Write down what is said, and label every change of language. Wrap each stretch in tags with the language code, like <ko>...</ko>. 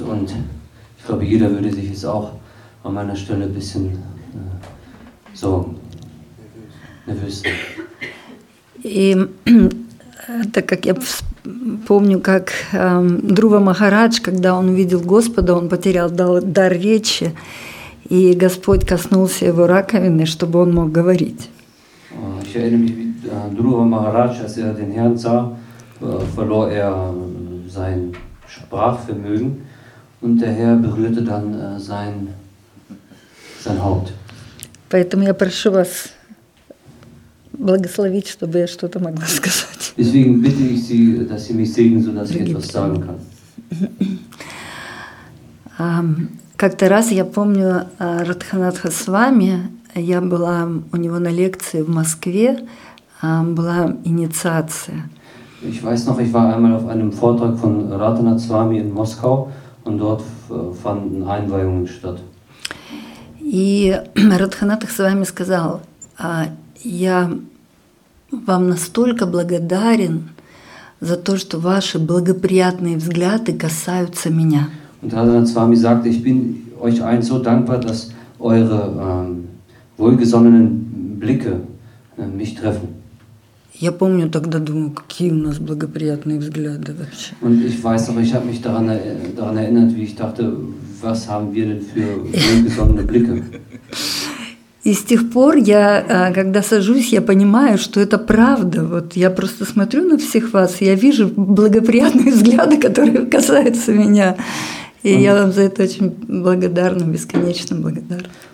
<de>Und ich glaube, jeder würde sich jetzt auch an meiner Stelle ein bisschen so nervös.</de> <ru>И так как я помню, как Друва Махарадж, когда он увидел Господа, он потерял дар речи, и Господь коснулся его раковины, чтобы он мог говорить.</ru> <de>Ich erinnere mich, Друва Махарадж, als er den Herrn sah, verlor er sein Sprachvermögen, und der Herr berührte dann sein Haupt.</de> <ru>Поэтому я прошу вас благословить, чтобы я что-то могла сказать.</ru> <de>Deswegen bitte ich Sie, dass Sie mich segnen, so dass ich etwas sagen kann.</de> <ru>Как-то раз я помню Радханатха с вами. Я была у него на лекции в Москве. Была инициация.</ru> <de>Ich weiß noch, ich war einmal auf einem Vortrag von Radhanath Swami in Moskau und dort fanden Einweihungen statt.</de> <ru>И Радханатха с вами сказал: я вам настолько благодарен за то, что ваши благоприятные взгляды касаются меня.</ru> <de>Und Radhanath Swami sagte, ich bin euch allen so dankbar, dass eure wohlgesonnenen Blicke mich treffen.</de> <ru>Я помню тогда, думаю, какие у нас благоприятные взгляды вообще.</ru> <de>Und ich weiß noch, ich habe mich daran erinnert, wie ich dachte, was haben wir denn für wohlgesonnene Blicke?</de> <ru>И с тех пор я, когда сажусь, я понимаю, что это правда. Вот я просто смотрю на всех вас, я вижу благоприятные взгляды, которые касаются меня. И я вам за это очень благодарна, бесконечно благодарна.</ru>